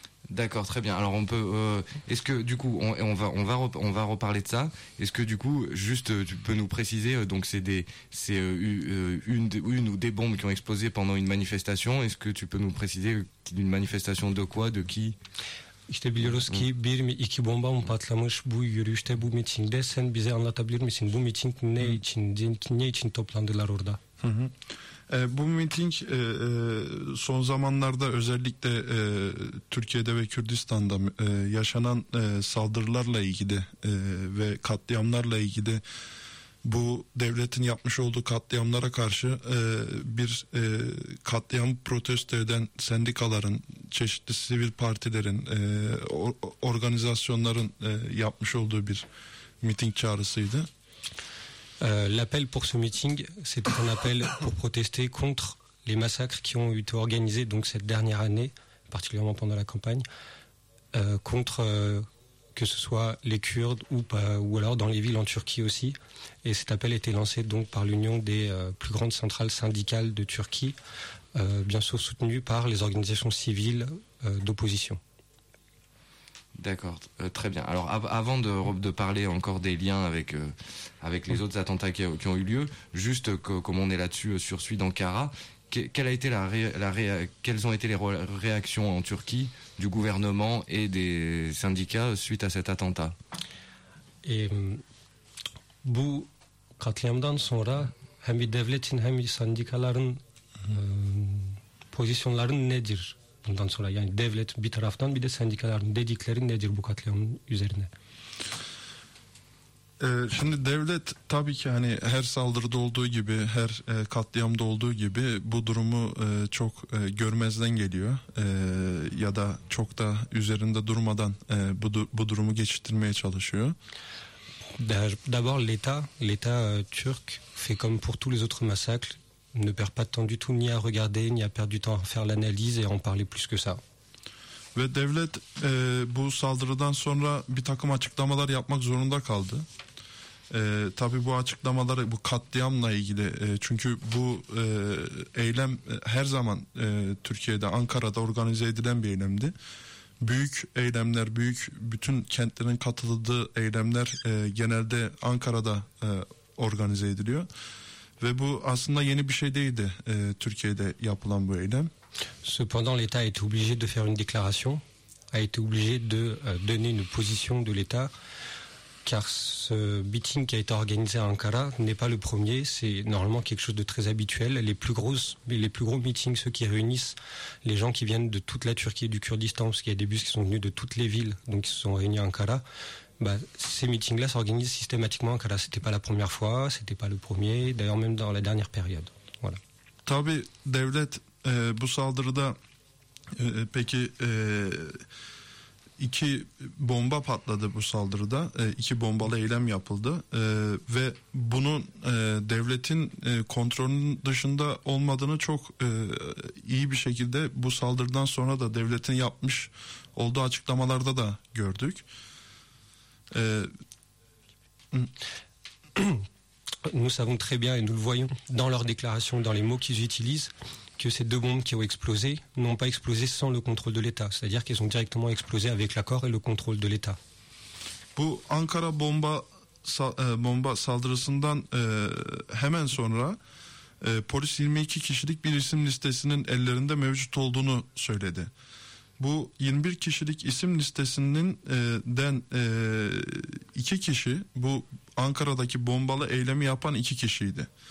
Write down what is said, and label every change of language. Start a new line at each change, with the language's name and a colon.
French: D'accord, très bien. Alors on peut est-ce que du coup on va reparler de ça. Est-ce que du coup juste tu peux nous préciser donc c'est une ou des bombes qui ont explosé pendant une manifestation. Est-ce que tu peux nous préciser d'une manifestation de quoi, de qui?
Turkish: İşte biliyoruz ki bir mi iki bomba mı patlamış bu yürüyüşte, bu mitingde. Sen bize anlatabilir misin bu miting ne için, ne için toplandılar orada? Bu miting son zamanlarda özellikle Türkiye'de ve Kürdistan'da yaşanan saldırılarla ilgili ve katliamlarla ilgili, bu devletin yapmış olduğu katliamlara karşı bir katliam protesto eden sendikaların, çeşitli sivil partilerin, organizasyonların yapmış olduğu bir miting çağrısıydı.
French: L'appel pour ce meeting, c'était un appel pour protester contre les massacres qui ont été organisés donc cette dernière année, particulièrement pendant la campagne, contre que ce soit les Kurdes ou pas, ou alors dans les villes en Turquie aussi. Et cet appel était lancé donc par l'Union des plus grandes centrales syndicales de Turquie, bien sûr soutenue par les organisations civiles d'opposition. D'accord, très bien. Alors avant de parler encore des liens avec les autres attentats qui ont eu lieu, juste comme on est là-dessus sur celui d'Ankara, quelles ont été les réactions en Turquie du gouvernement et des syndicats suite à cet attentat?
Turkish: Et bu katliamdan sonra hem devletin hem syndikaların pozisyonları nedir? Ondan sonra yani devlet bir taraftan, bir de sendikaların dedikleri nedir bu katliamın üzerine? Şimdi devlet tabii ki hani her saldırıda olduğu gibi, her katliamda olduğu gibi bu durumu çok görmezden geliyor. Ya da çok da üzerinde durmadan bu durumu geçiştirmeye çalışıyor.
French: D'abord l'État turc fait comme pour tous les autres massacres, ne perd pas de temps du tout ni à regarder ni à perdre du temps à faire l'analyse et en parler plus que ça.
Turkish: Ve devlet bu saldırıdan sonra bir takım açıklamalar yapmak zorunda kaldı. Tabii bu açıklamaları, bu katliamla ilgili, çünkü bu eylem her zaman Türkiye'de, Ankara'da organize edilen bir eylemdi. Büyük eylemler, büyük bütün kentlerin katıldığı eylemler genelde Ankara'da organize ediliyor. Ve bu aslında yeni bir şey değildi, Türkiye'de yapılan bu eylem.
French: Cependant, l'État a été obligé de faire une déclaration, a été obligé de donner une position de l'État, car ce meeting qui a été organisé à Ankara n'est pas le premier, c'est normalement quelque chose de très habituel. Les plus gros meetings, ceux qui réunissent les gens qui viennent de toute la Turquie et du Kurdistan, parce qu'il y a des bus qui sont venus de toutes les villes, donc ils se sont réunis à Ankara, ces meetings-là s'organisent systématiquement à Ankara. Ce n'était pas la première fois, ce n'était pas le premier, d'ailleurs même dans la dernière période. Voilà.
Turkish: Tabii, devlet bu saldırıda peki... İki bomba patladı bu saldırıda. İki bombalı eylem yapıldı. Ve bunun devletin kontrolünün dışında olmadığını çok iyi bir şekilde bu saldırıdan sonra da devletin yapmış olduğu açıklamalarda da gördük.
French: Nous savons très bien et nous le voyons dans leurs déclarations, dans les mots qu'ils utilisent, que ces deux bombes qui ont explosé n'ont pas explosé sans le contrôle de l'État, c'est-à-dire qu'elles ont directement explosé avec l'accord et le contrôle de l'État.
Turkish: Bu Ankara bomba saldırısından hemen sonra polis 22 kişilik bir isim listesinin ellerinde mevcut olduğunu söyledi. Bu 21 kişilik isim listesinin den 2 kişi bu Ankara'daki bombalı eylemi yapan 2 kişiydi.